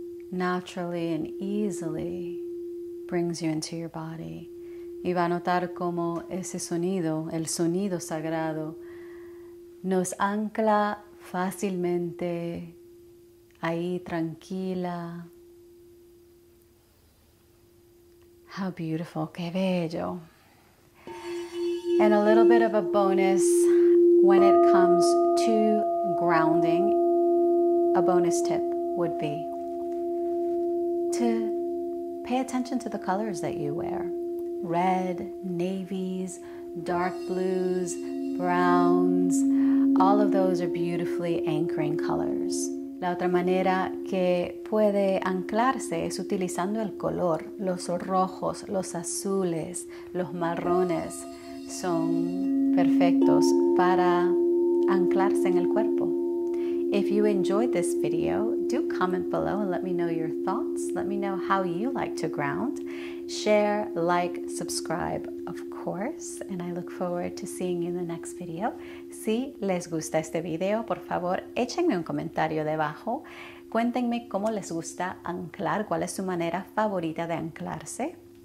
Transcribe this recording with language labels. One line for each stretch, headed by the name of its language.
English: Naturally and easily brings you into your body.
Spanish: Y va a notar cómo ese sonido, el sonido sagrado, nos ancla fácilmente ahí tranquila.
English: How beautiful,
Spanish: qué bello.
English: And a little bit of a bonus when it comes to grounding, a bonus tip would be to pay attention to the colors that you wear. Red, navies, dark blues, browns, all of those are beautifully anchoring colors.
Spanish: La otra manera que puede anclarse es utilizando el color. Los rojos, los azules, los marrones son perfectos para anclarse en el cuerpo.
English: If you enjoyed this video, do comment below and let me know your thoughts. Let me know how you like to ground. Share, like, subscribe, of course. And I look forward to seeing you in the next video.
Spanish: Si les gusta este video, por favor, échenme un comentario debajo. Cuéntenme cómo les gusta anclar, cuál es su manera favorita de anclarse.